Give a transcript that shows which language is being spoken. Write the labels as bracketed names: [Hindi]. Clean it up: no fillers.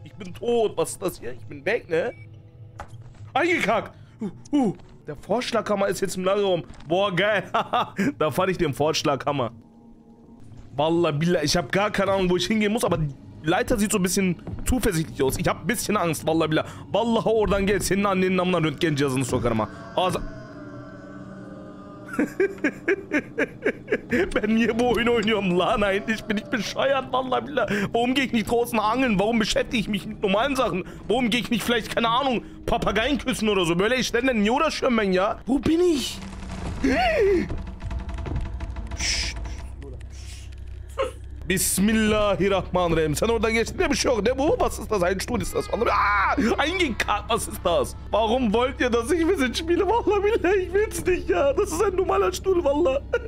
[German] Ich bin tot. Was ist das hier? Ich bin weg, ne? Eingekackt. Der Vorschlaghammer ist jetzt im Lagerraum. Boah, geil. Da fand ich den Vorschlaghammer. Wallah, billah, ich habe gar keine Ahnung, wo ich hingehen muss, aber... Leiter sieht so ein bisschen zuversichtlich aus. Ich hab ein bisschen Angst, vallahi billah. [Turkish] Vallahi oradan gel. Senin annenin namına röntgen cihazını sokarım ha. Ağza... Ben niye bu oyunu oynuyorum lan? [German] Nein, ich bin nicht bescheuert, vallahi billah. Warum gehe ich nicht draußen angeln? Warum beschäftige ich mich mit normalen Sachen? Warum gehe ich nicht vielleicht, keine Ahnung, Papageien küssen oder so? [Turkish] Böyle işlerle niye uğraşıyorum ben ya? [German] Wo bin ich? [Turkish] Bismillahirrahmanirrahim. Sen orada geçtin de bir şey yok. Ne bu? [German] Was ist das? Ein Stuhl ist das. [Turkish] Hangi kart? [German] Was ist das? Warum wollt ihr, dass ich Visage spiele? Valla billahi, ich will's nicht ya. Das ist ein normaler Stuhl, valla.